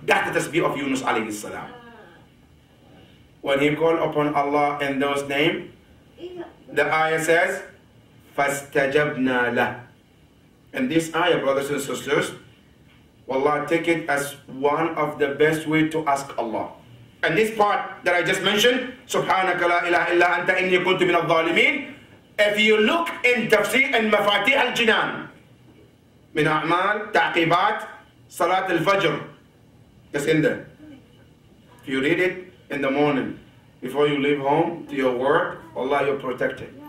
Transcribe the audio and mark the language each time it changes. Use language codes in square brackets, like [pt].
[en] That's the tasbih of Yunus alayhi salam. When he called upon Allah in those names, the ayah says, [ar] فَاسْتَجَبْنَا لَهُ. [en] And this ayah, brothers and sisters, wallah, take it as one of the best way to ask Allah. And this part that I just mentioned, [ar] سُبْحَانَكَ لَا إِلَهَ إِلَّا أَنْتَ إِنِّي كُنْتُ مِنَ الظَّالِمِينَ. [en] If you look in tafsir and [ar] مفاتيح الجنان, من أعمال, تعقيبات, صلاة الفجر, [en] it's in there. If you read it in the morning, before you leave home to your work, wallah, you're protected.